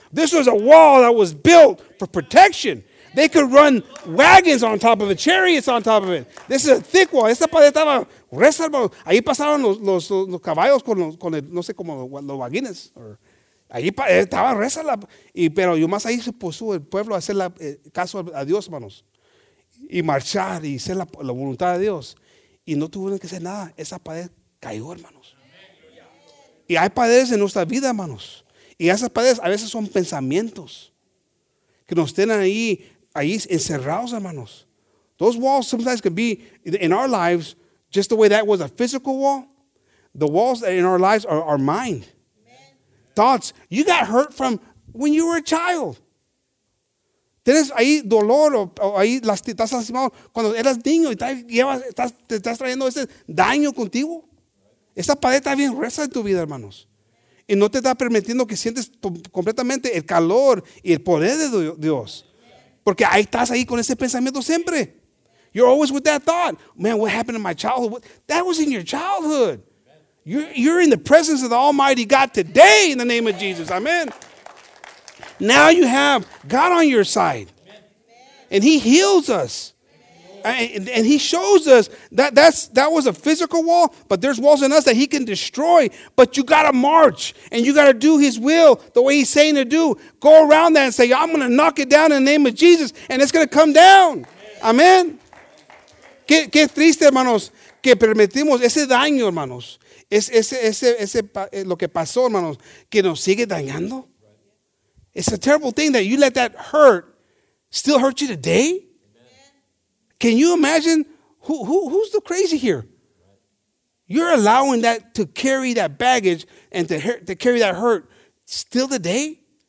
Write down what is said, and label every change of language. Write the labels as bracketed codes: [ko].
[en] This was a wall that was built for protection. They could run wagons on top of it, chariots on top of it. This is a thick wall. [es] Esta pared estaba reservada. Ahí pasaron los caballos con el, no sé cómo, los wagones. Ahí estaba reservada. Pero yo más ahí se puso el pueblo a hacer caso a Dios, hermanos. Y marchar y hacer la voluntad de Dios. Y no tuvieron que hacer nada. Esa pared cayó, hermanos. Y hay paredes en nuestra vida, hermanos. Y esas paredes a veces son pensamientos que nos tienen ahí encerrados, hermanos. [en] Those walls sometimes can be, in our lives, just the way that was a physical wall. The walls in our lives are our mind. Amen. Thoughts. You got hurt from when you were a child. [es] Tienes ahí dolor o ahí estás lastimado cuando eras niño y te estás trayendo ese daño contigo. Esa pared está bien gruesa en tu vida, hermanos. Y no te está permitiendo que sientes completamente el calor y el poder de Dios. Porque ahí estás ahí con ese pensamiento siempre. [en] You're always with that thought. Man, what happened in my childhood? That was in your childhood. You're in the presence of the Almighty God today in the name of Jesus. Amen. Now you have God on your side. And he heals us. And he shows us that that was a physical wall, but there's walls in us that he can destroy. But you got to march, and you got to do his will the way he's saying to do. Go around that and say, I'm going to knock it down in the name of Jesus, and it's going to come down. Amen. [es] Qué triste, hermanos, que permitimos ese daño, hermanos. Ese lo que pasó, hermanos, que nos sigue dañando. [en] It's a terrible thing that you let that hurt still hurt you today. Can you imagine who's the crazy here? You're allowing that to carry that baggage and to carry that hurt still today?